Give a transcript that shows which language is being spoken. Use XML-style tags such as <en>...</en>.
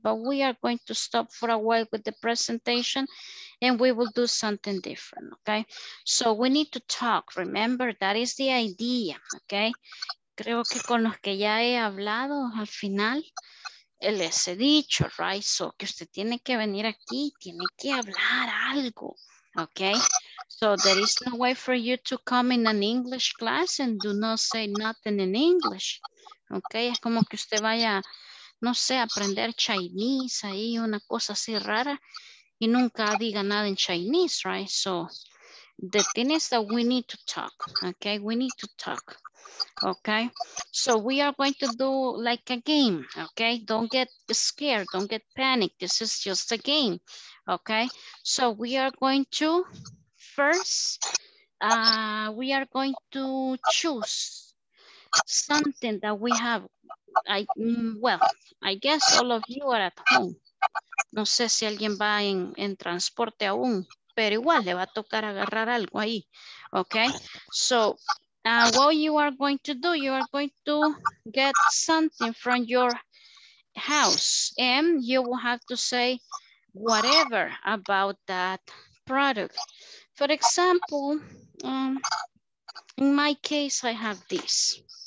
<en>But we are going to stop for a while with the presentation and we will do something different, okay? So we need to talk, remember, that is the idea, okay?</en> <es>Creo que con los que ya he hablado al final, les he dicho,</es> <en>right?</en> <es>So que usted tiene que venir aquí, tiene que hablar algo.</es> <en>Okay, so there is no way for you to come in an English class and do not say nothing in English.</en> <es>Okay, es como que usted vaya, no sé, aprender</es> <en>Chinese,</en> <es>ahí una cosa así rara, y nunca diga nada en</es> <en>Chinese, right? So the thing is that we need to talk, okay? We need to talk, okay? So we are going to do like a game, okay? Don't get scared, don't get panicked. This is just a game. Okay, so we are going to first, we are going to choose something that we have. I guess all of you are at home.</en> <es>No sé si alguien va en transporte aún, pero igual le va a tocar agarrar algo ahí.</es> <en>Okay, so what you are going to do, you are going to get something from your house and you will have to say, whatever about that product. For example, in my case, I have this.</en>